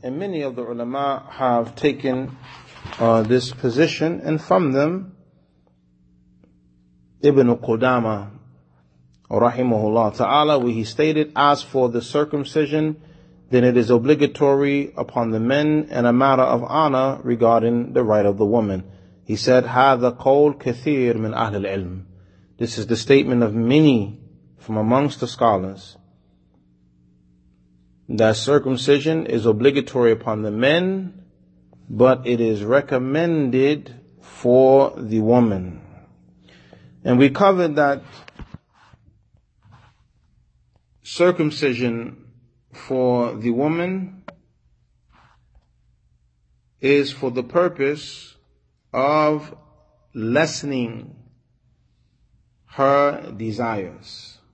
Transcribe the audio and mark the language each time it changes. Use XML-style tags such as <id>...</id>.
<en>And many of the ulama have taken this position, and from them, Ibn Qudama, rahimahullah ta'ala, where he stated, as for the circumcision, then it is obligatory upon the men and a matter of honor regarding the right of the woman. He said,</en> <ar>هذا قول كثير من أهل العلم.</ar> <en>This is the statement of many from amongst the scholars, that circumcision is obligatory upon the men, but it is recommended for the woman. And we covered that circumcision for the woman is for the purpose of lessening her desires.</en>